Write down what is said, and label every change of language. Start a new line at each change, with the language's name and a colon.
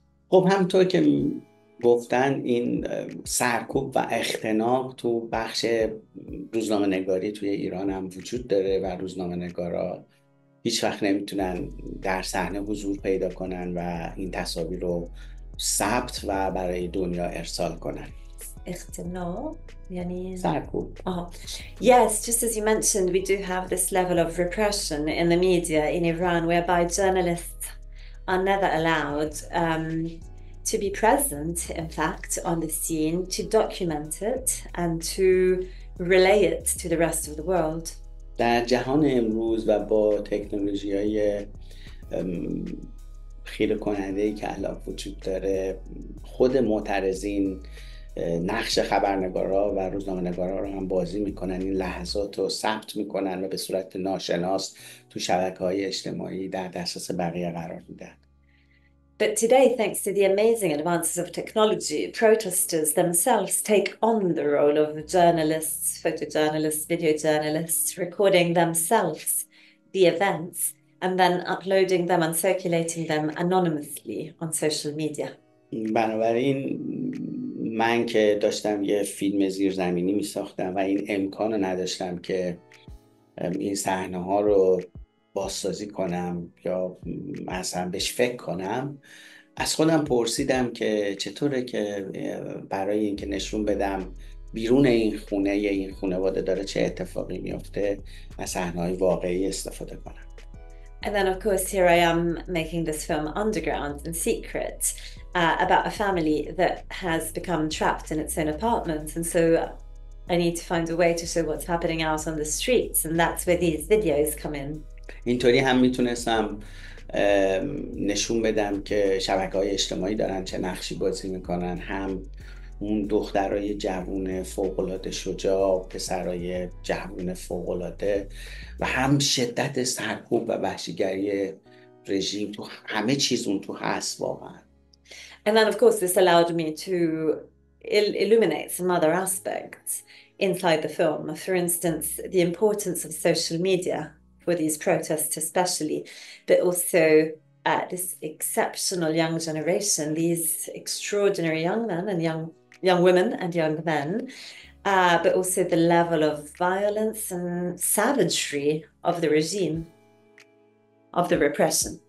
Persian: خب همطور که گفتن این سرکوب و اختناق تو بخش روزنامه نگاری توی ایران هم وجود داره و روزنامه نگارا هیچ وقت نمیتونن در صحنه حضور پیدا کنن و این تصاویر رو ثبت و برای دنیا ارسال کنن. اختناق یعنی سرکوب.
English: Yes, just as you mentioned, we do have this level of repression in the media in Iran whereby journalists are never allowed to be present, in fact, on the scene, to document it and to relay it to the rest of the world.
Persian: در جهان امروز و با تکنولوژی های خیره کننده ای که الان وجود داره، خود معترضین نقش خبرنگارا و روزنامه نگارا رو هم بازی میکنن، این لحظات رو ثبت میکنن و به صورت ناشناس تو شبکه های اجتماعی در دسترس بقیه قرار میدن.
English: But today, thanks to the amazing advances of technology, protesters themselves take on the role of journalists, photojournalists, video journalists, recording themselves the events and then uploading them and circulating them anonymously on social media.
Persian: بنابراین من که داشتم یه فیلم زیرزمینی می ساختم و این امکان رو نداشتم که این صحنه ها رو بازسازی کنم یا اصلا بهش فکر کنم، از خودم پرسیدم که چطوره که برای اینکه نشون بدم بیرون این خونه یا این خانواده داره چه اتفاقی میفته از صحنه‌های واقعی استفاده کنم.
English: And then of course here I am making this film underground in secret about a family that has become trapped in its own apartment, and so I need to find a way to show what's happening out on the streets, and that's where these videos come in.
Persian: اینطوری هم میتونستم نشون بدم که شبکه‌های اجتماعی دارن چه نقشی بازی میکنن، هم اون دخترای جوون فوق‌العاده شجاع، پسرای جوون فوق‌العاده، و هم شدت سرکوب و وحشیگری رژیم تو همه چیز اون تو هست واقعا.
English: And then, of course, this allowed me to illuminate some other aspects inside the film. For instance, the importance of social media for these protests, especially, but also this exceptional young generation, these extraordinary young men and young women and young men, but also the level of violence and savagery of the regime, of the repression.